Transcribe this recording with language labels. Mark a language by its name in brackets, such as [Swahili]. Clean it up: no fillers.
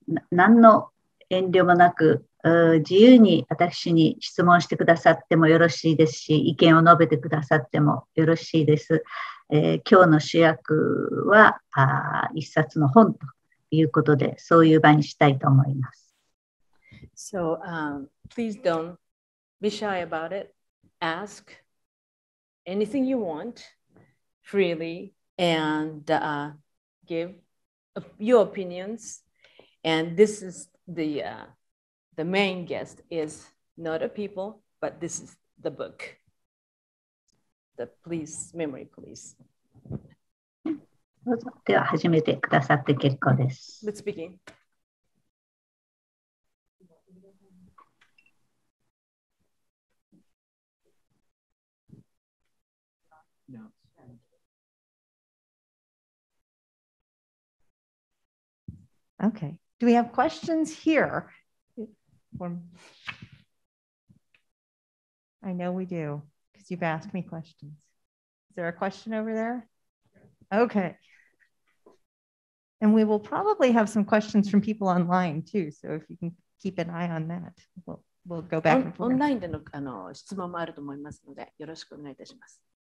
[Japanese] なんの遠慮もなく自由に私に質問してくださってもよろしいですし、意見を述べてくださってもよろしいです。今日の主役は一冊の本ということで、そういう場にしたいと思います。 [English] So please don't be shy about it. Ask anything you want freely and give your opinionsAnd this is the main guest is not a people, but this is the book. The police, memory police. [Japanese] では始めてくださって結構です。 [English] Let's begin. Okay. Do we have questions here? I know we do, because you've asked me questions. Is there a question over there? Okay. And we will probably have some questions from people online too. So if you can keep an eye on that, we'll go back and forth. [Japanese] Online での質問もあると思いますので、よろしくお願いいたします。